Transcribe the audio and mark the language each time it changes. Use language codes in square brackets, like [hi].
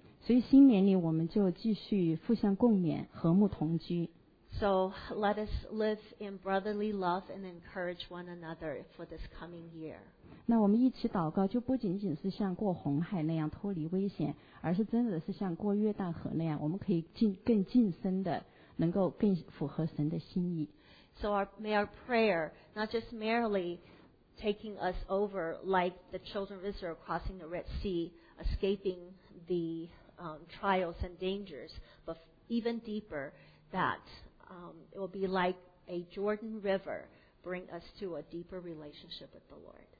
[zh] 所以新年里我们就继续互相共勉，和睦同居。 [en] So let us live in brotherly love and encourage one another for this coming year. [zh] 那我们一起祷告，就不仅仅是像过红海那样脱离危险，而是真的是像过约旦河那样，我们可以更近身的，能够更符合神的心意。 [en] So may our prayer not just merely taking us over like the children of Israel crossing the Red Sea, escaping the trials and dangers, but even deeper, that it will be like a Jordan River, bring us to a deeper relationship with the Lord.